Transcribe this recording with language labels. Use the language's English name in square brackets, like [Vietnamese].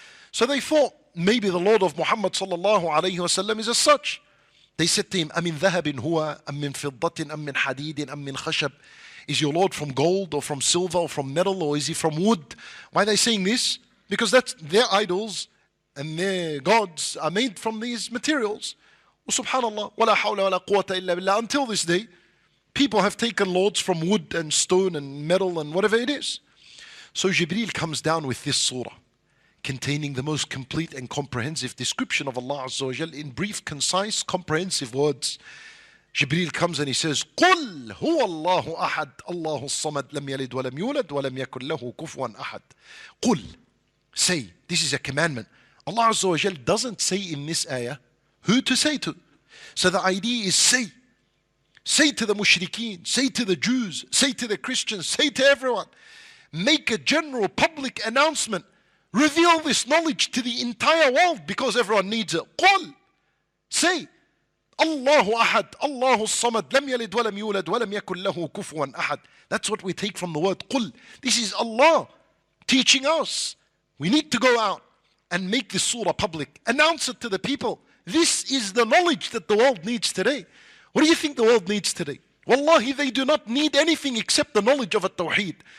[English] So they thought, maybe the Lord of Muhammad sallallahu alayhi wasallam is as such. They said to him, [Arabic] أَمِنْ ذَهَبٍ هُوَ أَمْ مِنْ فِضَّةٍ أَمْ مِنْ حَدِيدٍ أَمْ مِنْ خَشَبٍ, [English] is your Lord from gold or from silver or from metal, or is he from wood? Why are they saying this? Because that's their idols and their gods are made from these materials. [Arabic] Subhanallah, وَلَا حَوْلَ وَلَا قُوَةَ إِلَّا بِاللَّهِ. [English] Until this day, people have taken lords from wood and stone and metal and whatever it is. So Jibreel comes down with this surah, containing the most complete and comprehensive description of Allah Azza wa Jal in brief, concise, comprehensive words. Jibreel comes and he says, [Arabic] قُلْ هُوَ اللَّهُ أَحَدْ اللَّهُ الصَّمَدْ لَمْ يَلِدْ وَلَمْ يُولَدْ وَلَمْ يَكُلْ لَهُ كُفْوًا أَحَدْ. [English] قُلْ, say, this is a commandment. Allah Azza wa Jal doesn't say in this ayah who to say to. So the idea is say. Say to the mushrikeen, say to the Jews, say to the Christians, say to everyone. Make a general public announcement. Reveal this knowledge to the entire world because everyone needs it. [Arabic] قُلْ, say, Allahu Ahad, Allahu Samad, لَمْ يَلِدْ وَلَمْ يُولَدْ وَلَمْ يَكُلْ لَهُ كُفُوًا أَحَدْ. [English] That's what we take from the word قُلْ. This is Allah teaching us. We need to go out and make this surah public. Announce it to the people. This is the knowledge that the world needs today. What do you think the world needs today? Wallahi, they do not need anything except the knowledge of a tawheed.